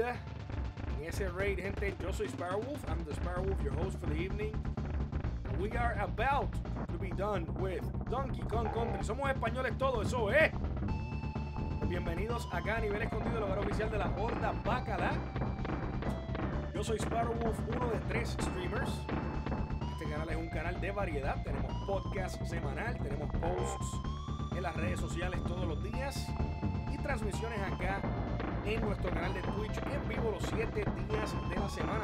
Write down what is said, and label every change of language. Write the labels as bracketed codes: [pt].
[es] En ese raid, gente, yo soy Sparrow Wolf. [en] I'm the Sparrow Wolf, your host for the evening. We are about to be done with Donkey Kong Country. [es] Somos españoles todos, eso es. Bienvenidos acá a Nivel Escondido, el hogar oficial de la Horda Bacala. Yo soy Sparrow Wolf, uno de 3 streamers. Este canal es un canal de variedad. Tenemos podcast semanal, tenemos posts en las redes sociales todos los días y transmisiones acá en nuestro canal de Twitch en vivo los 7 días de la semana.